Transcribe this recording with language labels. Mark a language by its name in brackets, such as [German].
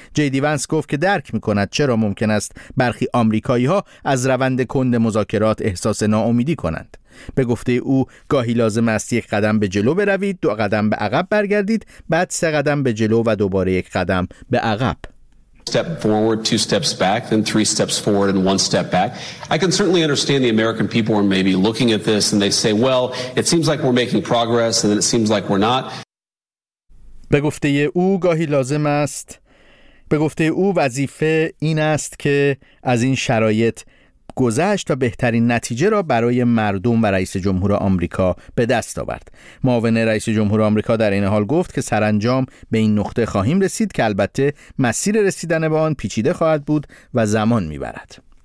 [Persian] جی دی ونس گفت که درک می‌کند چرا ممکن است برخی آمریکایی‌ها از روند کند مذاکرات احساس ناامیدی کنند. به گفته او گاهی لازم است یک قدم به جلو بروید، 2 قدم به عقب برگردید، بعد 3 قدم به جلو و دوباره 1 قدم به عقب. [English] Step forward, 2 steps back, then 3 steps forward and 1 step back. I can certainly understand the American people are maybe looking at this and they say, well, it seems like we're making progress and then it seems like we're not. [Persian] به گفته او گاهی لازم است. به گفته او وظیفه این است که از این شرایط گذشت و بهترین نتیجه را برای مردم و رئیس جمهور آمریکا به دست آورد. معاون رئیس جمهور آمریکا در این حال گفت که سرانجام به این نقطه خواهیم رسید که البته مسیر رسیدن به آن پیچیده خواهد بود و زمان می‌برد.